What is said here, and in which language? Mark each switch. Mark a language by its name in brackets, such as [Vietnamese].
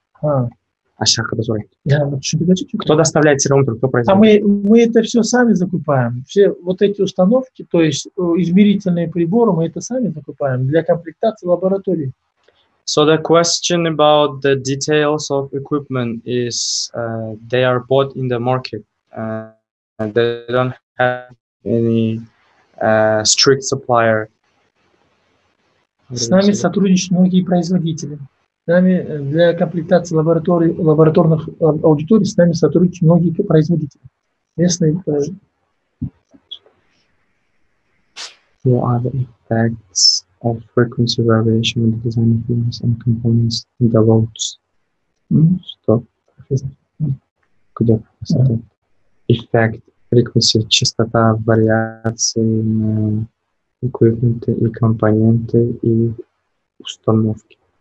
[Russian] Кто доставляет термометр, кто производит? Мы это все сами закупаем. Все вот эти установки, то есть измерительные приборы, мы это сами закупаем для комплектации лаборатории. [English] So the question about the details of equipment is they are bought in the market. They don't have any strict supplier. [Russian] С нами сотрудничают многие производители. С нами для комплектации лабораторий, лабораторных аудиторий с нами сотрудничают многие производители. Местные производители. [English] What are the effects of frequency variation in the design of units and components in the loads? [Russian] Что? Куда? Эффект, [English] frequency, [Russian] частота вариации на [English] equipment [Russian] и компоненты и установки.